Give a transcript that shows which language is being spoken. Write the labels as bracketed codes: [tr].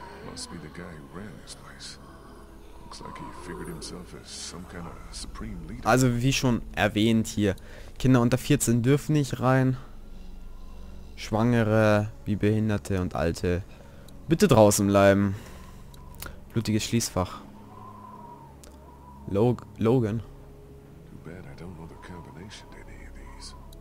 [en] Must be the guy who ran this place. Looks like he figured himself as some kind of supreme leader. [de] Also wie schon erwähnt hier, Kinder unter 14 dürfen nicht rein. Schwangere, wie Behinderte und Alte, bitte draußen bleiben. Blutiges Schließfach. Logan. [en] Too bad I don't know the combination to any of these.